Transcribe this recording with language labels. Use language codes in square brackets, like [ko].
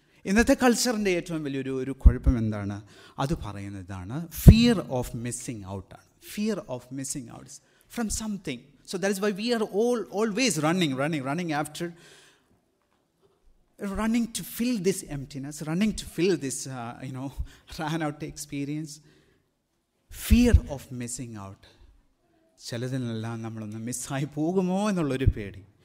[ml] ഇന്നത്തെ കൾച്ചറിൻ്റെ ഏറ്റവും വലിയൊരു ഒരു കുഴപ്പം എന്താണ്? അത് പറയുന്നതാണ് [en] Fear of missing ഔട്ടാണ്. Fear of missing outs from something. So that is why we are always running after running to fill this emptiness, running to fill this ran out experience. Fear of missing out. [ml] ചിലതിനെല്ലാം നമ്മളൊന്ന് മിസ്സായി പോകുമോ എന്നുള്ളൊരു പേടി.